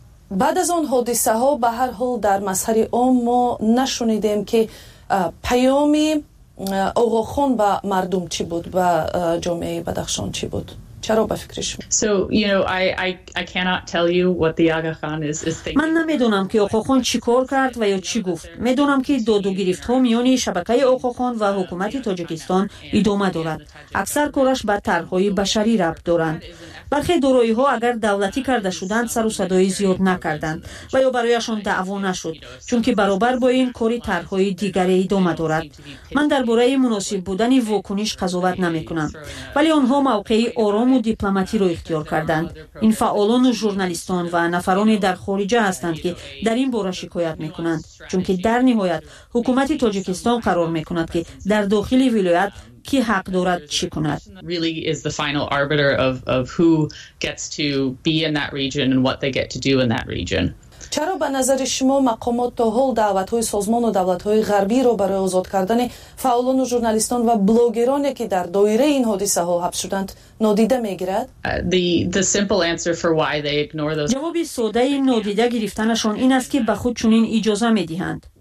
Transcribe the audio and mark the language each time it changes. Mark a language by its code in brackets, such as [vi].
[fa] بعد از آن حادثه ها به هر حال در مسهر عام ما نشنیدیم که پیام آقاخان به مردم چی بود، به جامعه بدخشان چی بود؟ چرا به فکرشم؟ [en] I cannot tell you what the Aga Khan is thinking. [fa] من نمیدونم که آقاخان چی کار کرد و یا چی گفت. میدونم که دادو گرفت ها میانی شبکه آقاخان و حکومت تاجیکستان ادامه دارد. اکثر کارش به طرح‌های بشری ربط دارند. برخی دارایی ها اگر دولتی کرده شدند سر و صدای زیاد نکردند و یا برایشان دعوا نشد، چون که برابر با این کاری طرح‌های دیگری ادامه دارد. من درباره مناسب بودن واکنش قضاوت نمی‌کنم، ولی آنها موقعی آرام و دیپلماتی را اختیار کردند. این فعالان و ژورنالیستان و نفران در خارج هستند که در این باره شکایت می‌کنند، چون که در نهایت حکومت تاجیکستان قرار می‌کند که در داخل ولایت کی حق دارد چی کند. [en] Really is the final arbiter of who gets to be in that region and what they get to do in that region. [fa] چرا به نظر شما مقامات تا حال دعوت‌های سازمان و دولت‌های غربی را برای آزاد کردن فعالان و ژورنالیستان و بلاگرانی که در دایره این حادثه ها حبس شدند نادیده می‌گیرد؟ جواب ساده این نادیده گرفتنشان این است که به خود چنین اجازه می‌دهند.